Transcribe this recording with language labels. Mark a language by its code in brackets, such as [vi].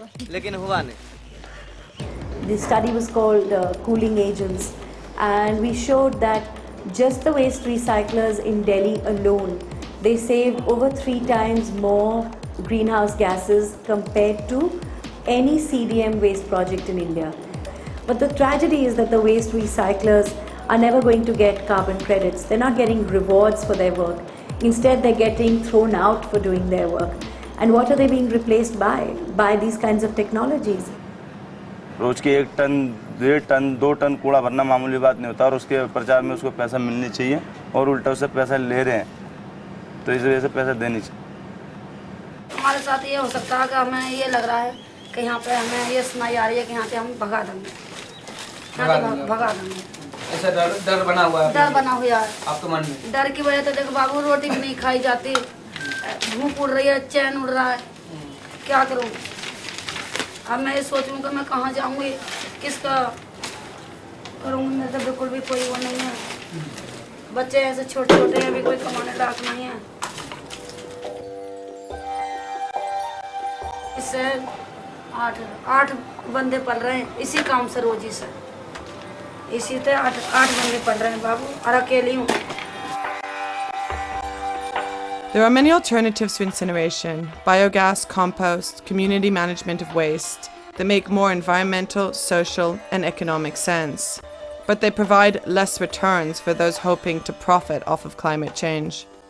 [en] The study was called Cooling Agents, and we showed that just the waste recyclers in Delhi alone, they save over 3 times more greenhouse gases compared to any CDM waste project in India. But the tragedy is that the waste recyclers are never going to get carbon credits. They're not getting rewards for their work. Instead, they're getting thrown out for doing their work. And what are they being replaced by? By these kinds of technologies. [hi] रोज के 1 ton 2 ton कूड़ा भरना मामूली बात नहीं होता और उसके प्रचार में उसको पैसा मिलनी चाहिए और उल्टा उससे पैसा ले रहे हैं तो इस वजह से पैसा देनी चाहिए हमारे साथ ये हो सकता है कि हमें ये लग रहा है कि यहाँ पे हमें ये सुनाई आ रही है कि यहाँ पे हम भगा देंगे ऐसा डर बना हुआ है डर बना हुआ यार आपके मन में डर की वजह तो देखो बाबू रोटी भी नहीं खाई जाती भूख उड़ रही है चैन उड़ रहा है क्या करूँ अब मैं ये सोच रहा हूँ मैं कहाँ जाऊँगी किसका करूँगी मेरे तो बिल्कुल भी कोई वो नहीं है बच्चे ऐसे छोटे छोटे हैं अभी कोई कमाने लायक नहीं है इससे आठ बंदे पल रहे हैं इसी काम से रोजी से इसी तो आठ बंदे पल रहे हैं बाबू और अकेली हूँ [en] There are many alternatives to incineration, biogas, compost, community management of waste, that make more environmental, social, and economic sense. But they provide less returns for those hoping to profit off of climate change.